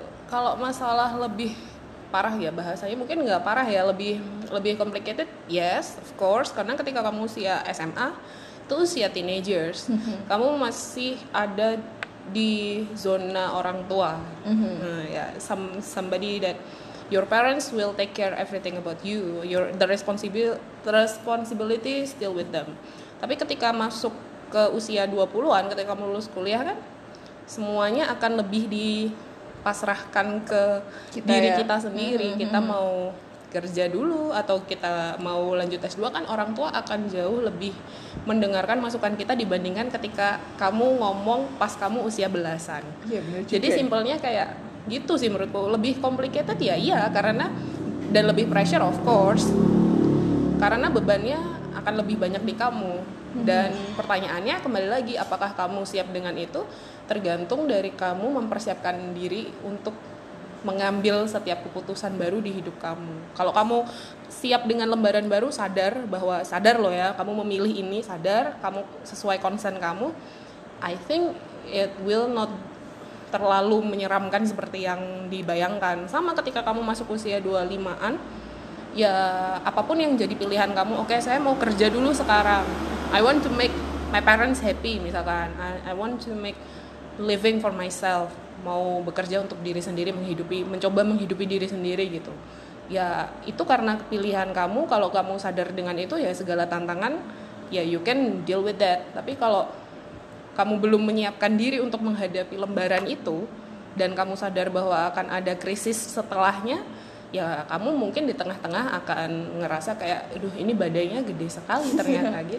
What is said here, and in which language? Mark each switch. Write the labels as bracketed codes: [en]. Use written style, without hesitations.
[id] Kalau masalah lebih parah ya bahasanya mungkin enggak parah ya lebih complicated. [en] Yes, of course, [id] karena ketika kamu usia SMA itu usia teenagers. Kamu masih ada di zona orang tua. [en] Ya, somebody that your parents will take care everything about you. The responsibility still with them. [id] Tapi ketika masuk ke usia 20-an, ketika kamu lulus kuliah kan, semuanya akan lebih dipasrahkan ke kita, diri kita sendiri. Kita mau kerja dulu atau kita mau lanjut S2 kan orang tua akan jauh lebih mendengarkan masukan kita dibandingkan ketika kamu ngomong pas kamu usia belasan. Iya benar juga. Jadi simpelnya kayak gitu sih menurutku. Lebih complicated ya iya karena dan lebih pressure [en] of course. [id] Karena bebannya akan lebih banyak di kamu. Dan pertanyaannya kembali lagi apakah kamu siap dengan itu tergantung dari kamu mempersiapkan diri untuk mengambil setiap keputusan baru di hidup kamu. Kalau kamu siap dengan lembaran baru, sadar bahwa sadar loh ya, kamu memilih ini sadar, kamu sesuai concern kamu. [en] I think it will not [id] terlalu menyeramkan seperti yang dibayangkan. Sama ketika kamu masuk usia 25-an, ya apapun yang jadi pilihan kamu, okay, saya mau kerja dulu sekarang. [en] I want to make my parents happy [id] misalkan. [en] I want to make living for myself. [id] Mau bekerja untuk diri sendiri, mencoba menghidupi diri sendiri gitu. Ya itu karena pilihan kamu. Kalau kamu sadar dengan itu ya segala tantangan ya [en] you can deal with that. [id] Tapi kalau kamu belum menyiapkan diri untuk menghadapi lembaran itu dan kamu sadar bahwa akan ada krisis setelahnya, ya kamu mungkin di tengah-tengah akan ngerasa kayak aduh ini badainya gede sekali ternyata gitu.